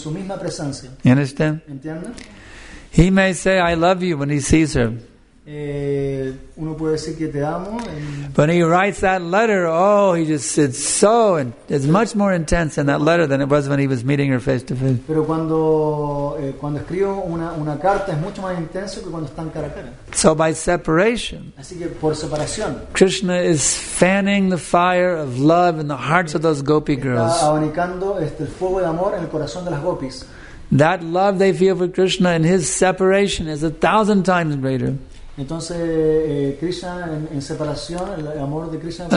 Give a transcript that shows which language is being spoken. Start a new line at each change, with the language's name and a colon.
English: Understand? He may say, I love you when he sees her.
Spanish: Uno puede decir que te amo,
English: but he writes that letter, it's much more intense in that letter than it was when he was meeting her face to face.
Spanish: Pero cuando escribo una carta es mucho más intenso que cuando están cara a cara.
English: So by separation,
Spanish: así que por separación,
English: Krishna is fanning the fire of love in the hearts of those gopi girls.
Spanish: Está abanicando el fuego de amor en el corazón de las gopis.
English: That love they feel for Krishna in his separation is 1,000 times greater.
Spanish: Entonces, Krishna en separación, el amor de Krishna,